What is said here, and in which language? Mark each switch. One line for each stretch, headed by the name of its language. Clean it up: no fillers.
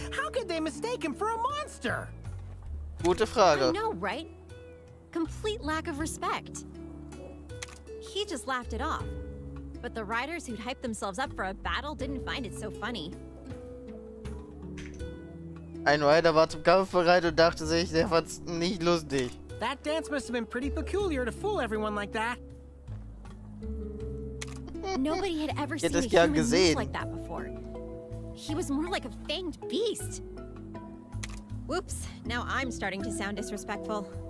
English: How could they mistake him for a monster?
German: Gute Frage.
English: I know, right? Complete lack of respect. He just laughed it off. But the riders who'd hyped themselves up for a battle didn't find it so funny.
German: Ein Rider war zum Kampf bereit und dachte sich, der fand's nicht lustig.
English: That dance must have been pretty peculiar to fool everyone like that. Nobody had ever seen a human beast like that before. He was more like a fanged beast. Whoops, now I'm starting to sound disrespectful.